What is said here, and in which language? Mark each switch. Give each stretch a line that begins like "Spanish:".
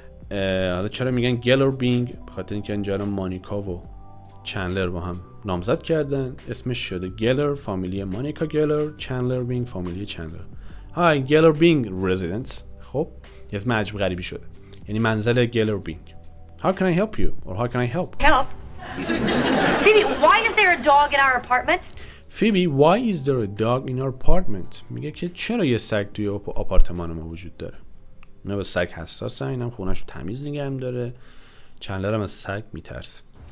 Persian: حالا چرا میگن Geller Bing؟ بخاطر اینکه اینجا رو مانیکا و چندلر با هم نامزد کردن، اسمش شده گلر، فامیلی مانیکا گلر، چندلر بینگ، فامیلی چندلر. های گلر بینگ رزیدنس. خب یه اسم عجب غریبی شده، یعنی منزل گلر بینگ.
English: How can I help you or how can I help? Help. Phoebe, why is there a dog in our apartment? Phoebe, why is there a dog in our apartment?
Persian: میگه که چرا یه سگ توی آپارتمان ما وجود داره. اینا به سگ حساسن، اینم خونه‌شو تمیز نگه داره، چندلر هم از سگ میترسه.